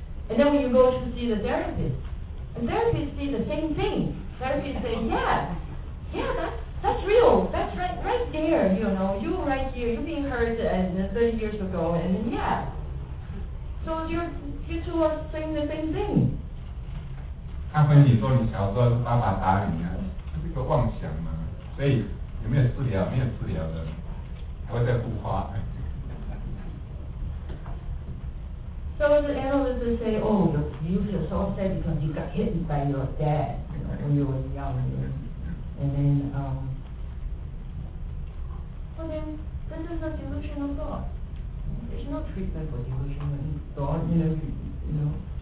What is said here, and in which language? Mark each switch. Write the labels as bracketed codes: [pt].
[en] And then when you go to see the therapist, the therapist sees the same thing. The therapist says, that's real. That's right there, you know. You right here, you being hurt 30 years ago, and yeah. So you two are saying the same thing. [zh] 他分析说你小时候是爸爸打你啊，这是一个妄想嘛，所以有没有治疗？没有治疗的，还会再复发。 [en] So the analysts say, oh, you feel so upset because you got hit by your dad, you know, when you were young. And then, this is a delusional thought. There's no treatment for delusional thought, you know.